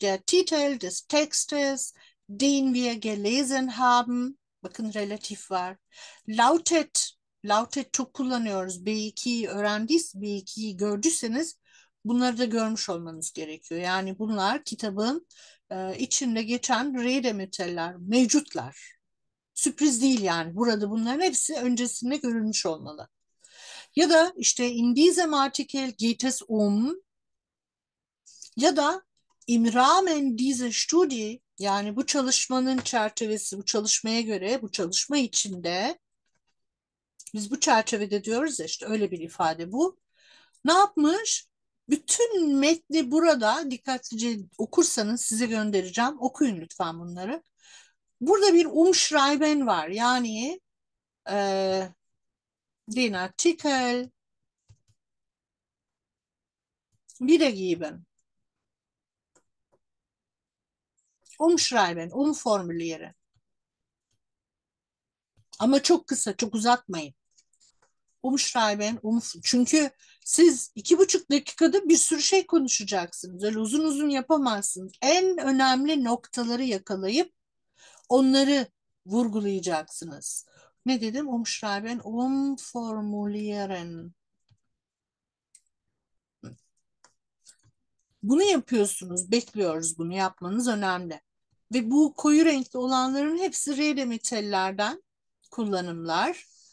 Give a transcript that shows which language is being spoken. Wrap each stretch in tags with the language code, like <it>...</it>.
<de>Der Titel des Textes, den wir gelesen haben.</de> <tr>Bakın relatif var. Lautet. Lautet çok kullanıyoruz. B2'yi öğrendiyseniz, B2'yi gördüyseniz bunları da görmüş olmanız gerekiyor. Yani bunlar kitabın içinde geçen redemiteller, mevcutlar. Sürpriz değil yani. Burada bunların hepsi öncesinde görülmüş olmalı. Ya da işte</tr> <de>in diesem Artikel geht es</de> <tr>ya da</tr> <de>im Rahmen dieser Studie</de> <tr>yani bu çalışmanın çerçevesi bu çalışmaya göre bu çalışma içinde biz bu çerçevede diyoruz ya işte öyle bir ifade bu. Ne yapmış? Bütün metni burada dikkatlice okursanız size göndereceğim. Okuyun lütfen bunları. Burada bir umschreiben var.</tr> <de>Yani den Artikel wiedergeben. Umschreiben, umformulieren.</de> <tr>Ama çok kısa, çok uzatmayın. Umschreiben, çünkü siz 2,5 dakikada bir sürü şey konuşacaksınız. Öyle uzun uzun yapamazsınız. En önemli noktaları yakalayıp onları vurgulayacaksınız. Ne dedim?</tr> <de>Umschreiben, umformulieren.</de> <tr>Bunu yapıyorsunuz, bekliyoruz bunu yapmanız önemli. Ve bu koyu renkli olanların hepsi R-metallerden kullanımlar.</tr>